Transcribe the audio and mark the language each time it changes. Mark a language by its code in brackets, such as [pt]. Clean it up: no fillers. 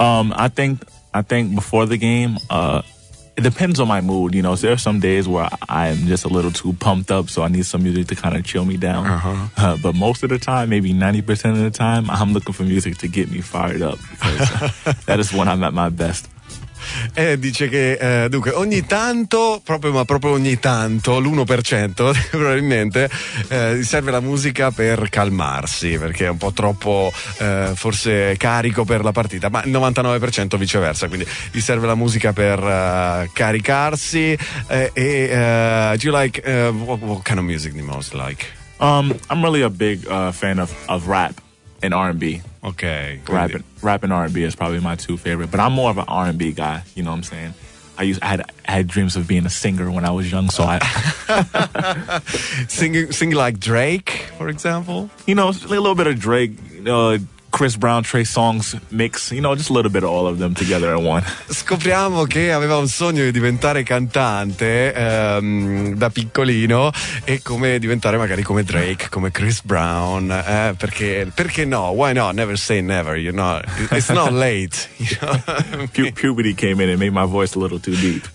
[en] I think before the game, it depends on my mood, you know. So there are some days where I'm just a little too pumped up, so I need some music to kind of chill me down. Uh-huh. But most of the time, maybe 90% of the time, I'm looking for music to get me fired up. That is when I'm at my best. [it] E dice che dunque ogni tanto, proprio ogni tanto, l'1% probabilmente serve la musica per calmarsi, perché è un po' troppo forse carico per la partita, ma il 99% viceversa, quindi gli serve la musica per caricarsi. [en] Do you like what kind of music do you most like? I'm really a big fan of rap and R&B. Okay. Rap and R&B is probably my two favorite, but I'm more of an R&B guy, you know what I'm saying? I had dreams of being a singer when I was young, so I sing like Drake, for example. You know, a little bit of Drake, Chris Brown, Trey Songz mix, you know, just a little bit of all of them together in one. [it] Scopriamo che aveva un sogno di diventare cantante da piccolino, e come diventare magari come Drake, come Chris Brown, perché no? [en] Why not? Never say never. You know, it's not late. You know? Puberty came in and made my voice a little too deep.